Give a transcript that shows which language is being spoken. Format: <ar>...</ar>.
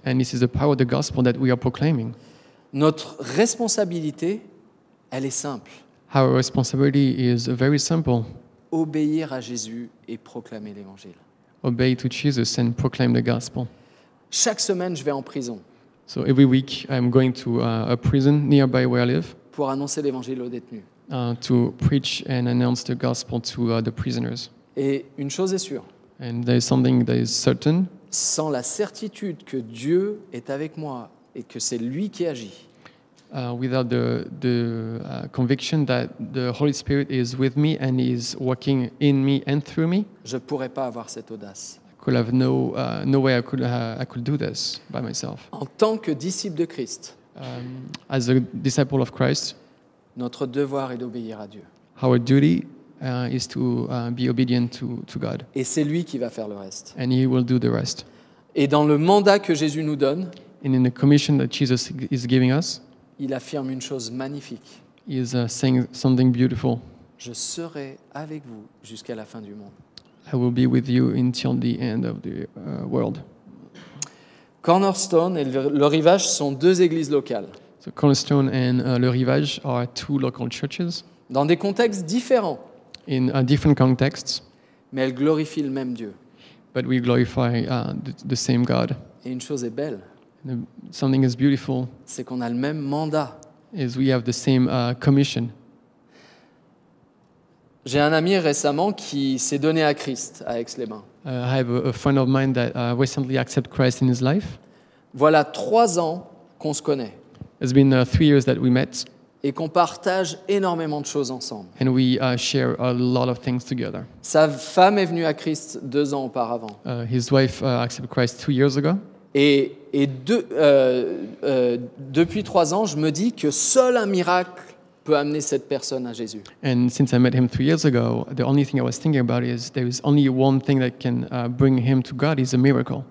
<en>And this is the power of the gospel that we are proclaiming.</en> <fr>Notre responsabilité, elle est simple.</fr> <en>Our responsibility is very simple.</en> <fr>Obéir à Jésus et proclamer l'Évangile.</fr> <en>Obey to Jesus and proclaim the gospel.</en> <fr>Chaque semaine, je vais en prison.</fr> <en>So every week, I'm going to a prison nearby where I live.</en> <fr>Pour annoncer l'Évangile aux détenus.</fr> <en>To preach and announce the gospel to the prisoners.</en> <fr>Et une chose est sûre.</fr> <en>And there is something that is certain.</en> <fr>Sans la certitude que Dieu est avec moi et que c'est lui qui agit.</fr> <en>Without the conviction that the Holy Spirit is with me and is working in me and through me,</en> <fr>je pourrais pas avoir cette audace.</fr> <en>I could have no way I could do this by myself.</en> <fr>En tant que disciple de Christ.</fr> <en>As a disciple of Christ.</en> <fr>Notre devoir est d'obéir à Dieu.</fr> <en>Our duty is to be obedient to God.</en> <fr>Et c'est lui qui va faire le reste.</fr> <en>And he will do the rest.</en> <fr>Et dans le mandat que Jésus nous donne,</fr> <en>and in the commission that Jesus is giving us,</en> <fr>il affirme une chose magnifique.</fr> <en>He is saying something beautiful.</en> <fr>Je serai avec vous jusqu'à la fin du monde.</fr> <en>I will be with you until the end of the world.</en> <fr>Cornerstone et le Rivage sont deux églises locales.</fr> <en>So Cornerstone and Le Rivage are two local churches.</en> <fr>Dans des contextes différents.</fr> <en>In different contexts.</en> <fr>Mais elles glorifient le même Dieu.</fr> <en>But we glorify the same God.</en> <fr>Et une chose est belle.</fr> <en>Something is beautiful.</en> <fr>C'est qu'on a le même mandat.</fr> <en>Is we have the same commission.</en> <fr>J'ai un ami récemment qui s'est donné à Christ à Aix-les-Bains.</fr> <en>I have a friend of mine that recently accepted Christ in his life.</en> <fr>Voilà 3 ans qu'on se connaît.</fr> <en>It's been 3 years that we met.</en> <fr>Et qu'on partage énormément de choses ensemble.</fr> <en>And we share a lot of things together.</en> <fr>Sa femme est venue à Christ 2 ans auparavant.</fr> <en>His wife accepted Christ 2 years ago.</en> <fr>Depuis 3 ans, je me dis que seul un miracle peut amener cette personne à Jésus.</fr> <en>And since I met him 3 years ago, the only thing I was thinking about is there is only one thing that can bring him to God is a miracle.</en>